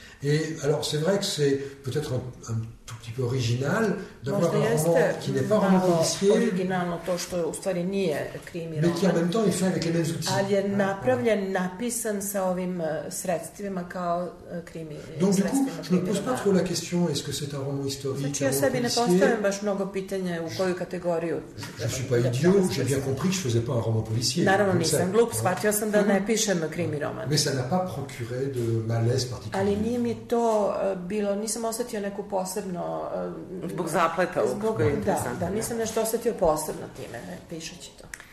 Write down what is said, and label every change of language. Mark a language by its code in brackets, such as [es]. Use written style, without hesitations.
[fr] Et alors, c'est vrai que c'est peut-être un tout petit peu original d'avoir un roman qui n'est pas roman policier, [sr] to što u stvari nije krimi [fr] roman, mais qui en même temps est fait avec les mêmes outils. [sr] Ali je napravljen, napisan sa ovim sredstvima kao krimi. [fr] Donc du coup, je ne pose pas trop la question est-ce que c'est un roman historique ou policier. [sr] Znači, ja sebi ne postavim baš mnogo pitanja u koju kategoriju. [fr] Je ne suis pas idiot, j'ai bien compris que je ne faisais pas un roman policier. [sr] Naravno, nisam glup, shvatio sam da ne pišem krimi roman. [fr] Mais ça n'a pas procuré de malaise particulier. [sr] Ali nije mi to bilo, nisam osetio neku posebnu. Zbog zapleta ovog, zbog, da, nisam nešto osetio posebno time, pišući to.